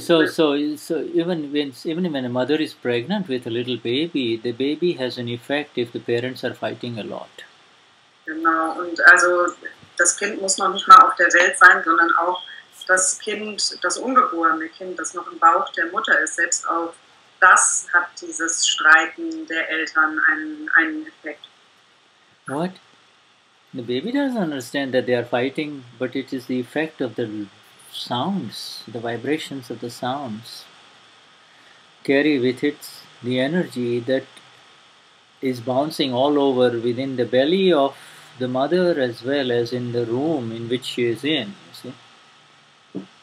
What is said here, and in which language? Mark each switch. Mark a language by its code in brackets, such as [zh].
[en] So even when a mother is pregnant with a little baby, the baby has an effect if the parents are fighting a lot. [de] Genau, und also das Kind muss noch nicht mal auf der Welt sein, sondern auch das Kind, das ungeborene Kind, das noch im Bauch der Mutter ist, selbst auf das hat dieses Streiten der Eltern einen Effekt. [en] What? The baby doesn't understand that they are fighting, but it is the effect of the sounds, the vibrations of the sounds carry with it the energy that is bouncing all over within the belly of the mother as well as in the room in which she is in, you see.